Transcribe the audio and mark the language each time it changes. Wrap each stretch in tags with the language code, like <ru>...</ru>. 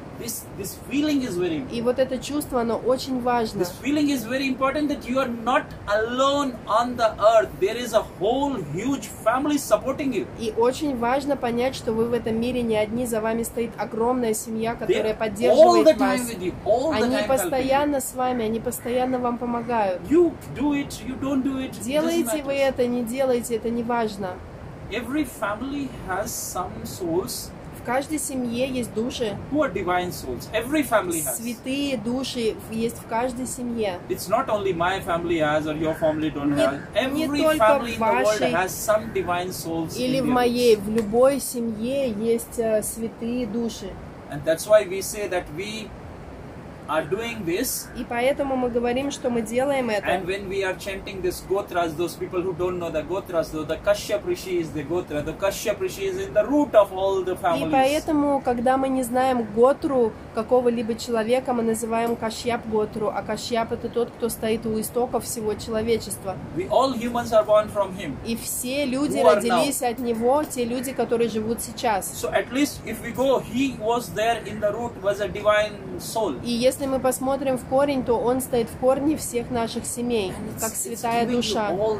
<en>This feeling is very important.</en> <ru>И вот это чувство, оно очень важно.</ru> <en>This feeling is very important that you are not alone on the earth. There is a whole huge family supporting you.</en> <ru>И очень важно понять, что вы в этом мире не одни, за вами стоит огромная семья, которая</ru> <en>They're</en> <ru>поддерживает</ru> <en>all the time</en> <ru>вас.</ru> <en>With you, all the time</en> <ru>они постоянно с вами, они постоянно вам помогают.</ru> <en>You do it, you don't do it.</en> <ru>Делаете вы это, не делаете, это не важно.</ru> <en>Every family has some souls.</en> <ru>В каждой семье есть души.</ru> <en>Who are divine souls? Every family has.</en> <ru>Святые души есть в каждой семье.</ru> <en>It's not only my family has or your family don't</en> <ru>не,</ru> <en>have. Every family in the world has some divine souls.</en> <ru>Или</ru> <en>in</en> <ru>в моей, в любой семье есть святые души.</ru> <en>And that's why we say that we are doing this.</en> <ru>И поэтому мы говорим, что мы делаем это.</ru> <en>And when we are chanting this gotras, those people who don't know the gotras, though the Kashyap Rishi is the gotra, the Kashyap Rishi is in the root of all the families.</en> <ru>И поэтому, когда мы не знаем готру какого-либо человека, мы называем Кашьяп готру, а Кашьяп это тот, кто стоит у истоков всего человечества.</ru> <en>We all humans are born from him.</en> <ru>И все люди родились от него, те люди, которые живут сейчас.</ru> <en>So at least if we go, he was there in the root, was a divine soul.</en> <ru>Если мы посмотрим в корень, то он стоит в корне всех наших семей, как святая душа.</ru>